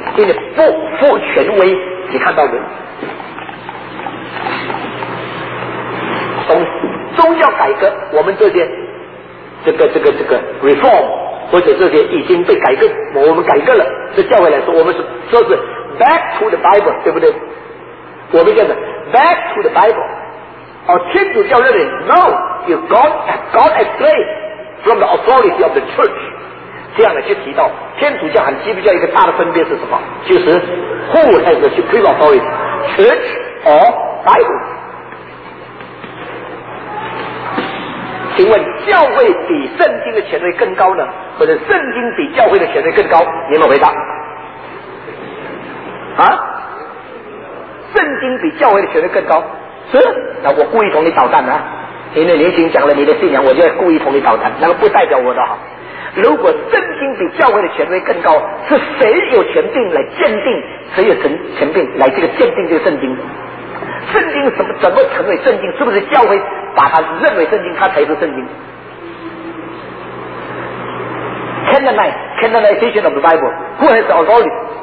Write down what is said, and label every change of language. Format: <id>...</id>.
<zh>因为不权威。你看到没有，从宗教改革，我们这些这个 reform 或者这些已经被改革，我们改革了，这教会来说，我们是说是</zh> <en>back to the Bible，</en> <zh>对不对？我们叫做</zh> <en>back to the Bible。</en> <zh>而天主教认为</zh> <en>no， you God astray from the authority of the church。</en> <zh>这样的就提到天主教和基督教一个大的分别是什么？就是</zh> <en>who has the supreme authority， church or Bible？</en> <zh>请问教会比圣经的权威更高呢，或者圣经比教会的权威更高？你们回答啊？圣经比教会的权威更高是？那我故意同你捣蛋啊！你的年轻讲了你的信仰，我就要故意同你捣蛋，那个不代表我的好。如果圣经比教会的权威更高，是谁有权柄来鉴定？谁有权柄来这个鉴定这个圣经？圣经怎么成为圣经？是不是教会把它认为圣经，它才是圣经？</zh> <en>Canonization of the Bible， who has the authority？</en>